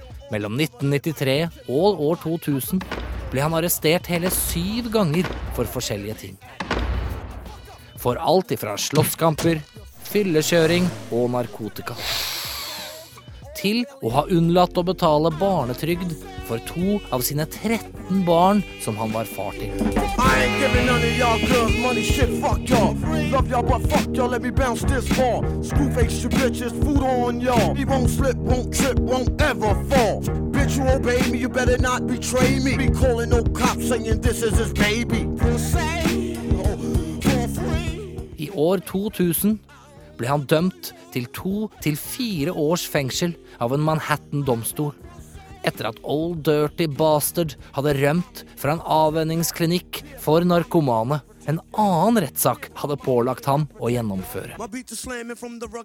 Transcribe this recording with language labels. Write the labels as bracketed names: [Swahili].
[Norwegian] Mellom 1993 og år 2000 ble han arrestert hele 7 ganger for forskjellige ting. For alt ifra slåsskamper, fyllekjøring og narkotika. Til å ha unnlatt å betale barnetrygd for 2 av sine 13 barn som han var far til. [English] I ain't giving none of y'all girls money, shit, fuck y'all. Love y'all, but fuck y'all, let me bounce this ball. Screwface your bitches, food on y'all. He won't slip, won't trip, won't ever fall. Bitch, you obey me, you better not betray me. Be calling no cops saying this is his baby. [Norwegian] I år 2000 ble han dømt til 2 til 4 års fengsel av en Manhattan-domstol. Etter at Old Dirty Bastard hadde rømt fra en avvenningsklinikk for narkomane, en annen rettsak hadde pålagt ham å gjennomføre.